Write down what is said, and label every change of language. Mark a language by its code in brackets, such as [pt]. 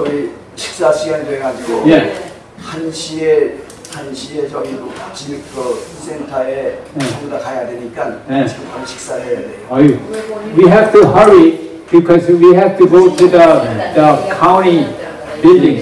[zh] 那像这样做法是不是很好的做法啊？等于说它完全暴露在那个直射光线下。所以，吃饭时间对啊，就，一时。 [ko] 한시에 저기 집 그 센터에 전부 다 가야 되니까 지금 바로 식사를 해야 돼요. [en] 아유, we have to hurry because we have to go to the county building.